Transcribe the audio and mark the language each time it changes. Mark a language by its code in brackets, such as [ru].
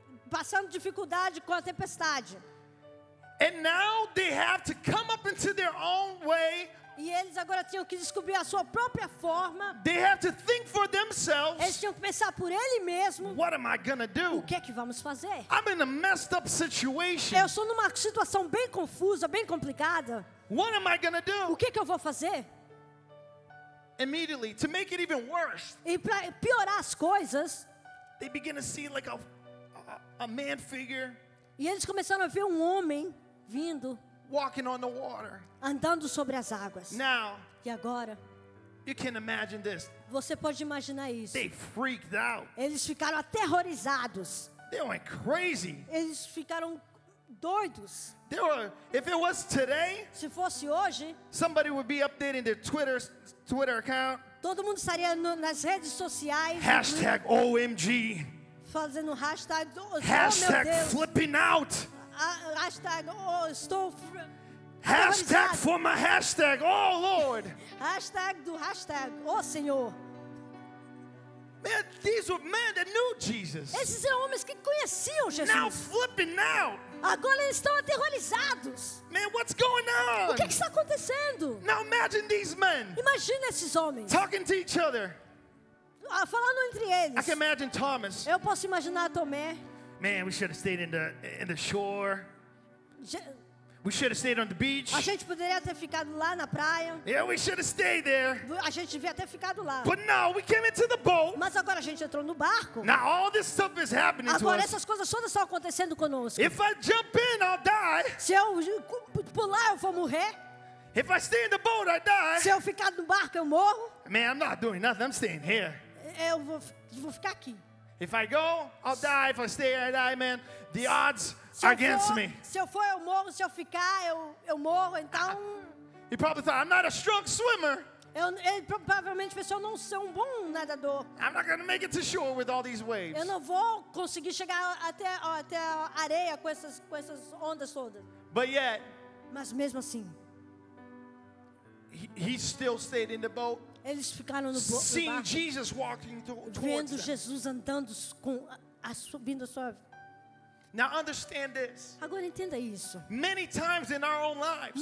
[pt] Passando dificuldade com a tempestade. [en] And now they have to come up into their own way. [pt] E eles agora tinham que descobrir a sua própria forma. [en] They have to think for themselves. [pt] Eles tinham que pensar por ele mesmo. [en] What am I gonna do? [pt] O que é que vamos fazer? [en] I'm in a messed up situation. [pt] Eu sou numa situação bem confusa, bem complicada. [en] What am I gonna do? [pt] O que é que eu vou fazer? [en] Immediately, to make it even worse. [pt] E para piorar as coisas, [en] they begin to see like a man figure. [pt] E eles começaram a ver um homem vindo, [en] walking on the water, [pt] andando sobre as águas. [en] Now, [pt] e agora, [en] you can imagine this. [pt] Você pode imaginar isso. [en] They freaked out. [pt] Eles ficaram aterrorizados. [en] They went crazy. [pt] Eles ficaram doidos. [en] They were, if it was today, [pt] se fosse hoje, [en] somebody would be updating their Twitter account. [pt] Todo mundo estaria nas redes sociais. [en] Hashtag OMG. [pt] Fazendo hashtag, oh, hashtag meu Deus. [en] Flipping out. [pt] Hashtag, oh, estou. [en] Hashtag for my hashtag, oh Lord. [pt] Hashtag do hashtag, oh Senhor. [en] Man, these were men that knew Jesus. [pt] Esses eram homens que conheciam Jesus. [en] Now flipping out. [pt] Agora eles estão aterrorizados. [en] Man, what's going on? [pt] O que está acontecendo? [en] Now imagine these men. [pt] Imagine esses homens. [en] Talking to each other. [pt] Falando entre eles. [en] I can imagine Thomas. [pt] Eu posso imaginar Tomé. [en] Man, we should have stayed in the shore. We should have stayed on the beach. [pt] A gente poderia ter ficado lá na praia. [en] Yeah, we should have stayed there. [pt] A gente devia ter ficado lá. [en] But now we came into the boat. [pt] Mas agora a gente entrou no barco. [en] Now all this stuff is happening [pt] agora [en] to us. [pt] Agora essas coisas todas estão acontecendo conosco. [en] If I jump in, I'll die. [pt] Se eu pular, eu vou morrer. [en] If I stay in the boat, I die. [pt] Se eu ficar no barco, eu morro. [en] Man, I'm not doing nothing. I'm staying here. [pt] Eu vou ficar aqui. [en] If I go, I'll die. If I stay, I die, man. The odds are against me. [pt] Se eu for, eu morro. Se eu ficar, eu morro. Então. [en] He probably thought, I'm not a strong swimmer. [pt] Ele provavelmente pensou, não sou um bom nadador. [en] I'm not gonna make it to shore with all these waves. [pt] Eu não vou conseguir chegar até a areia com essas ondas todas. [en] But yet. [pt] Mas mesmo assim. [en] He still stayed in the boat. [pt] Eles ficaram no barco, [en] seeing Jesus walking [pt] vendo Jesus andando com subindo a sua. [en] Now understand this. [pt] Agora entenda isso. [en] Many times in our own lives.